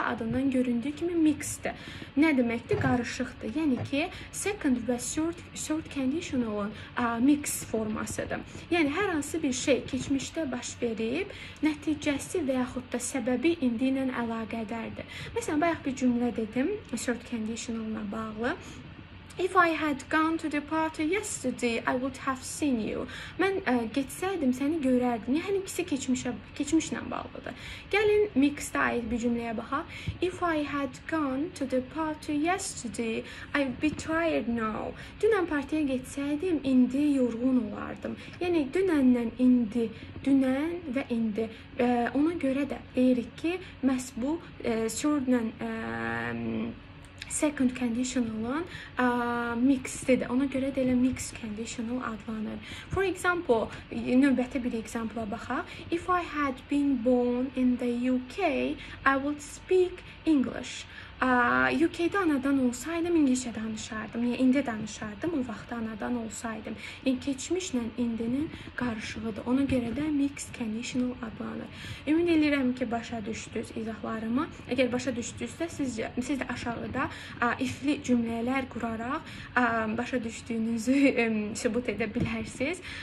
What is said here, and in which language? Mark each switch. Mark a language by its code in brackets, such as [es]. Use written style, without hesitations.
[az] Adından göründüyü kimi mixed-dir. Nə deməkdir? Qarışıqdır. Yəni ki, second və third conditionalın mixed formasıdır. Yəni, hər hansı bir şey keçmişdə baş verib, nəticəsi və yaxud da səbəbi indi ilə əlaqədərdir. Məsələn, bayaq bir cümlə dedim third conditionalına bağlı. [en] If I had gone to the party yesterday, I would have seen you. [az] Mən getsəydim, səni görərdim. Yəni, ikisi keçmişlə bağlıdır. Gəlin, mixed aid bir cümləyə baxaq. [en] If I had gone to the party yesterday, I would be tired now. [az] Dünən partiyə getsəydim, indi yorğun olardım. Yəni, dünəndən indi, dünən və indi. Ona görə də deyirik ki, məhz bu, sördən... Second conditionalın mixed-dir. Ona görə də elə mixed conditional adlanır. [en] For example, [az] növbəti bir example-a baxaq. [en] If I had been born in the UK, I would speak English. [az] UK-də anadan olsaydım, ingiliscə danışardım. Yəni, indi danışardım, o vaxtda anadan olsaydım. Yəni, keçmişlə indinin qarışığıdır. Ona görə də mixed conditional adlanır. Ümid edirəm ki, başa düşdünüz izahlarımı. Əgər başa düşdünüzsə, siz də aşağıda ifli cümlələr quraraq başa düşdüyünüzü sübut edə bilərsiniz.